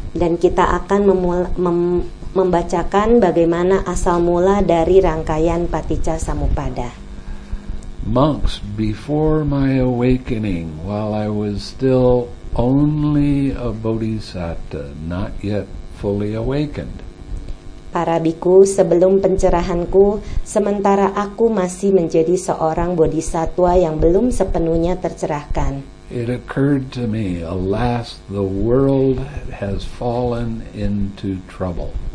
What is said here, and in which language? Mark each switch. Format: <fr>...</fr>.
<id>Dan kita akan membacakan bagaimana asal mula dari rangkaian Paticca Samuppada.</id> <en>Monks, before my awakening, while I was still only a bodhisattva, not yet fully awakened.</en> <id>Para bhikkhu, sebelum pencerahanku, sementara aku masih menjadi seorang bodhisattva yang belum sepenuhnya tercerahkan.</id> <en>It occurred to me, alas, the world has fallen into trouble.</en>